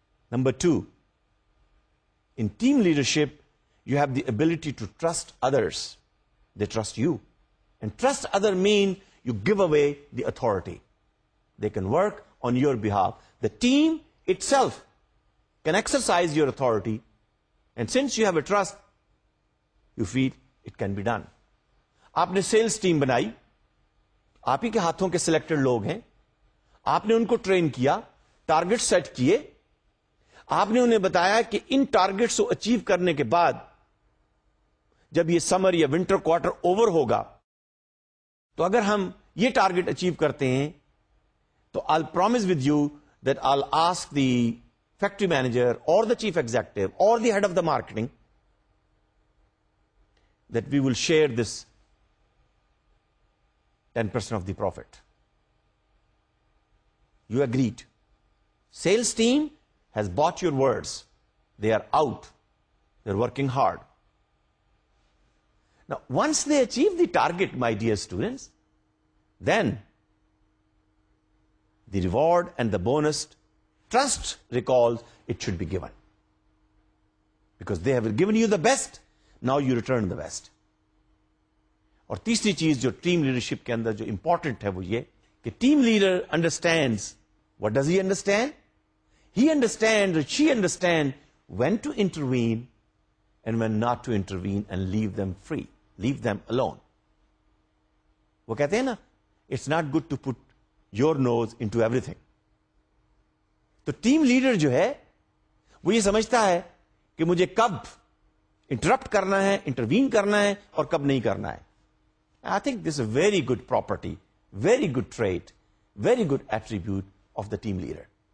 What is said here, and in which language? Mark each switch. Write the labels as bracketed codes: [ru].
[en] Number two, in team leadership, you have the ability to trust others. They trust you. And trust other mean you give away the authority. They can work on your behalf. The team itself can exercise your authority. And since you have a trust, you feel it can be done. [ur] آپ نے sales team بنائی, آپ ہی کے ہاتھوں کے selected لوگ ہیں, آپ نے ان کو ٹرین کیا, ٹارگیٹ سیٹ کیے, آپ نے انہیں بتایا کہ ان ٹارگیٹس کو اچیو کرنے کے بعد جب یہ سمر یا ونٹر کوارٹر اوور ہوگا تو اگر ہم یہ ٹارگیٹ اچیو کرتے ہیں تو [en] I promise with you that I ask the factory manager اور the chief executive اور the head of the marketing that we will share this 10% of the profit. You agreed. Sales team has bought your words. They are out. They are working hard. Now, once they achieve the target, my dear students, then the reward and the bonus, trust recalls, it should be given. Because they have given you the best, now you return the best. [ur] اور تیسری چیز جو team leadership کے اندر جو important ہے وہ یہ کہ team leader understands, [en] What does he understand, he understand she understand when to intervene and when not to intervene and leave them free, leave them alone. [ur] وہ کہتے ہیں نا, [en] It's not good to put your nose into everything. [ur] تو team leader جو ہے وہ یہ سمجھتا ہے کہ مجھے کب انٹرپٹ کرنا ہے, انٹروین کرنا ہے اور کب نہیں کرنا ہے. [en] I think this is a very good property, very good trait, very good attribute of the team leader.